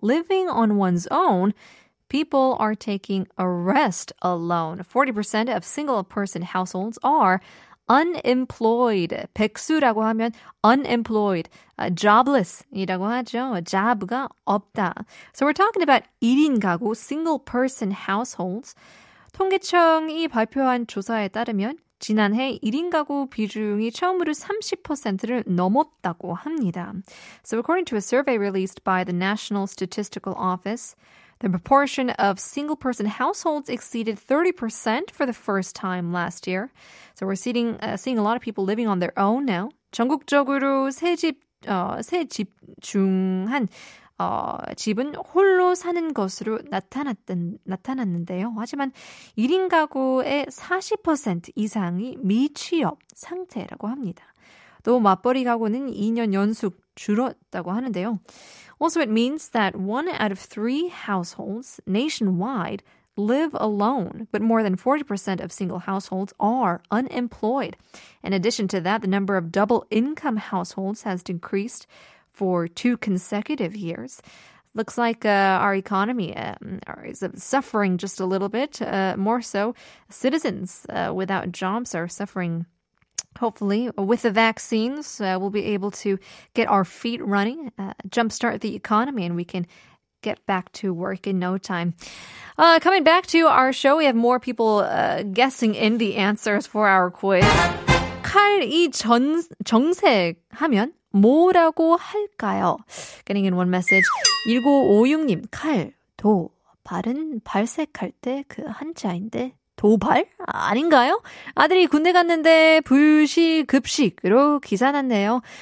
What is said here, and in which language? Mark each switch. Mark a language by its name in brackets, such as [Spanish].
[English] Living on one's own, people are taking a rest alone. 40% of single-person households are unemployed. [Korean] 백수라고 하면 [English] unemployed, jobless [Korean] 이라고 하죠. Job가 없다. [English] So we're talking about [Korean] 1인 가구, [English] single-person households. [Korean] 통계청이 발표한 조사에 따르면 지난해 1인 가구 비중이 처음으로 30%를 넘었다고 합니다. [English] So according to a survey released by the National Statistical Office, the proportion of single-person households exceeded 30% for the first time last year. So we're seeing a lot of people living on their own now. [Korean] 전국적으로 새집 중 한 집은 홀로 사는 것으로 나타났는데요. 하지만 1인 가구의 40% 이상이 미취업 상태라고 합니다. 또 맞벌이 가구는 2년 연속 줄었다고 하는데요. [English] Also, it means that one out of three households nationwide live alone, but more than 40% of single households are unemployed. In addition to that, the number of double-income households has decreased for two consecutive years. Looks like our economy is suffering just a little bit. More so, citizens without jobs are suffering. Hopefully, with the vaccines, we'll be able to get our feet running, jumpstart the economy, and we can get back to work in no time. Coming back to our show, we have more people guessing in the answers for our quiz. [Korean] 칼이 정색 하면 뭐라고 할까요? [English] Getting in one message. [Korean] 1956님, 칼도 발은 발색할 때 그 한자인데. 도발? 아닌가요? 아들이 군대 갔는데 불시 급식으로 기사 났네요.